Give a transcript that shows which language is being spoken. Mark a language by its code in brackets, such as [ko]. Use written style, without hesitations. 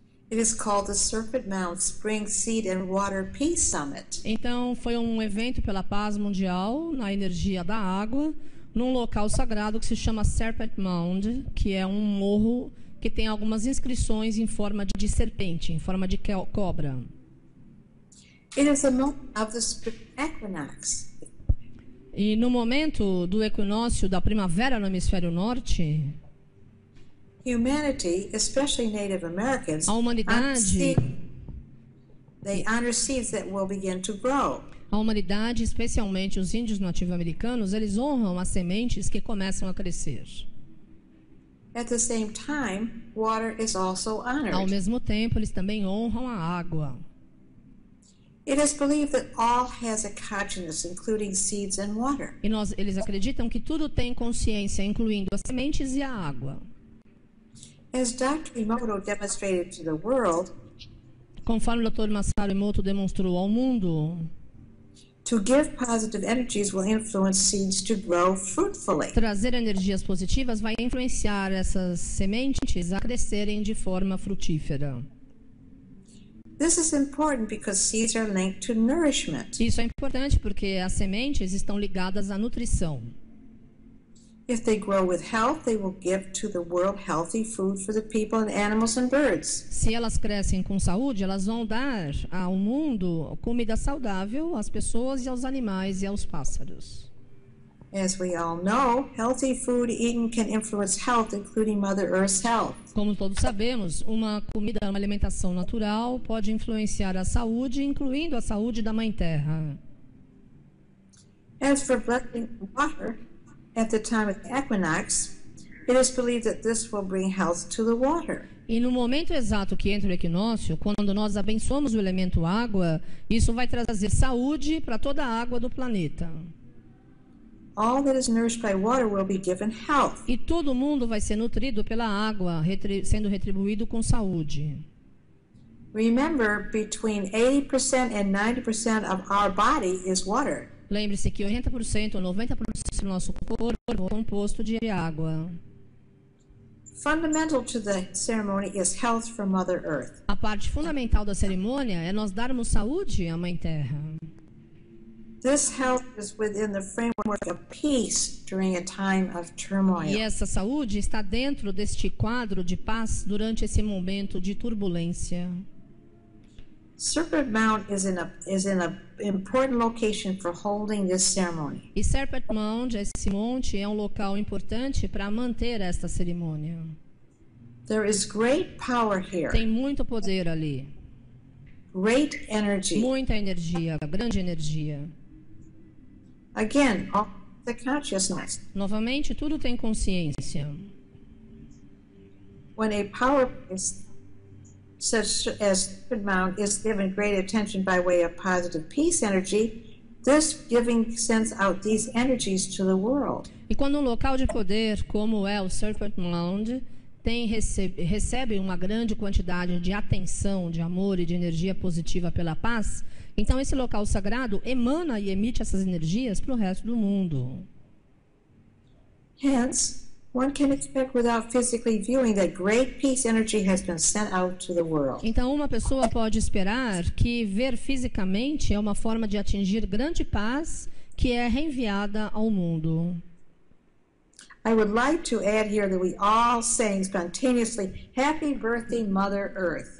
[en] It is called the Serpent Mound Spring Seed and Water Peace Summit. [pt] Então, foi um evento pela paz mundial na energia da água, num local sagrado que se chama Serpent Mound, que é um morro que tem algumas inscrições em forma de serpente, em forma de cobra. [en] It is a moment of the equinox. [pt] E no momento do equinócio da primavera no hemisfério norte, [en] humanity, especially Native Americans, [pt] a humanidade, [en] they honor seeds that will begin to grow. [pt] A humanidade, especialmente os índios nativo-americanos, eles honram as sementes que começam a crescer. [en] At the same time, water is also honored. [pt] Ao mesmo tempo, eles também honram a água. [en] It is believed that all has a consciousness, including seeds and water. [pt] E nós, eles acreditam que tudo tem consciência, incluindo as sementes e a água. [en] As Dr. Emoto demonstrated to the world, [pt] conforme o Dr. Masaru Emoto demonstrou ao mundo, [en] to give positive energies will influence seeds to grow fruitfully. [pt] Trazer energias positivas vai influenciar essas sementes a crescerem de forma frutífera. [en] This is important because seeds are linked to nourishment. [pt] Isso é importante porque as sementes estão ligadas à nutrição. [en] If they grow with health, they will give to the world healthy food for the people and animals and birds. [pt] Se elas crescem com saúde, elas vão dar ao mundo comida saudável às pessoas e aos animais e aos pássaros. [en] As we all know, healthy food eaten can influence health, including Mother Earth's health. [pt] Como todos sabemos, uma comida, uma alimentação natural pode influenciar a saúde, incluindo a saúde da Mãe Terra. [en] As for blessing water, at the time of the equinox, it is believed that this will bring health to the water. [pt] E no momento exato que entra o equinócio, quando nós abençoamos o elemento água, isso vai trazer saúde para toda a água do planeta. [en] All that is nourished by water will be given health. [pt] E todo mundo vai ser nutrido pela água, sendo retribuído com saúde. [en] Remember, between 80% and 90% of our body is water. [pt] Lembre-se que 80% ou 90% do nosso corpo é composto de água. [en] Fundamental to the ceremony is health from Mother Earth. [pt] A parte fundamental da cerimônia é nós darmos saúde à Mãe Terra. [en] This health is within the framework of peace during a time of turmoil. [pt] E essa saúde está dentro deste quadro de paz durante esse momento de turbulência. [en] Serpent Mound is in a important location for holding this ceremony. [pt] E Serpent Mound, esse monte, é um local importante para manter esta cerimônia. [en] There is great power here. [pt] Tem muito poder ali. [en] Great energy. [pt] Muita energia, grande energia. [en] Again, all the consciousness. [pt] Novamente, tudo tem consciência. [en] When a power is such as Serpent Mound is given great attention by way of positive peace energy, this giving sends out these energies to the world. [pt] E quando um local de poder como é o Serpent Mound tem recebe uma grande quantidade de atenção, de amor e de energia positiva pela paz, então esse local sagrado emana e emite essas energias para o resto do mundo. [en] Hence, one can expect without physically viewing that great peace energy has been sent out to the world. [pt] Então uma pessoa pode esperar que ver fisicamente é uma forma de atingir grande paz que é reenviada ao mundo. [en] I would like to add here that we all sing spontaneously happy birthday Mother Earth.